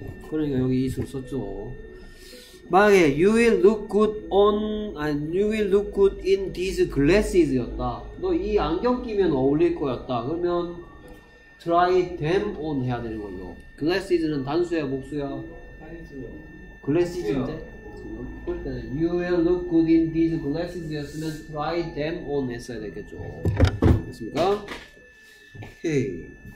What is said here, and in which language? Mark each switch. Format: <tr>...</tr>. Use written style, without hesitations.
<ko>그러니까 여기 이술 썼죠.</ko> <en>만약에 you will look good on, you will look good in these glasses 였다.</en> <ko>너 이 안경 끼면 어울릴 거였다. 그러면</ko> <en>try them on</en> <ko>해야 되는 거죠. Glasses는 단수야, 복수야? 단수요. Glasses인데? 볼 때는</ko> <en>you will look good in these glasses</en> <ko>였으면</ko> <en>try them on</en> <ko>했어야 되겠죠. 됐습니까? 오케이.</ko>